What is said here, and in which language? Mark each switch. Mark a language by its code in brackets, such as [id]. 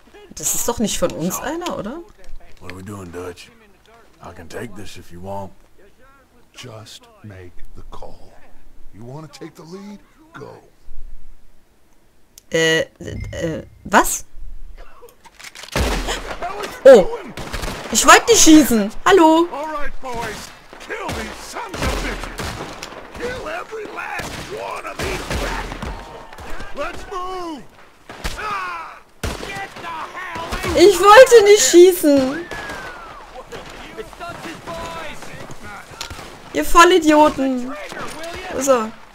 [de] Das ist doch nicht von uns einer, oder? [en] What are we doing, Dutch? I can take this if you want. Just make the call. You want to take the lead? Go. [de] Was? Oh! Ich wollte nicht schießen! Hallo! [en] Alright, boys! Kill these sons of bitches! Kill every last one of these rats! Let's move! Get the hell! [de] Ich wollte nicht schießen! Ihr Vollidioten! So.